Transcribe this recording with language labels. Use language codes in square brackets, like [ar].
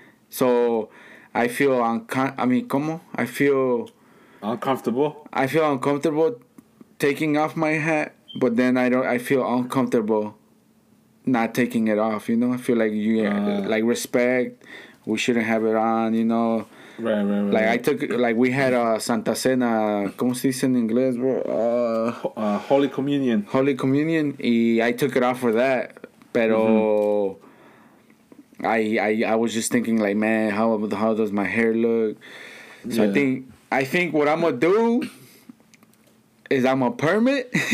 [en] So, I feel [es] ¿cómo? [en] I feel... Uncomfortable. I feel uncomfortable taking off my hat, but then I feel uncomfortable not taking it off, you know? I feel like like respect, we shouldn't have it on, you know? Right. Like, right. I took, like, we had a Santa Cena, [es] ¿cómo se dice en inglés, bro? [en] Holy Communion. Holy Communion, [es] y [en] I took it off for that, [es] pero... [en] Mm-hmm. I was just thinking, like, man, how does my hair look? So yeah. I think what I'm gonna do is I'm gonna perm it.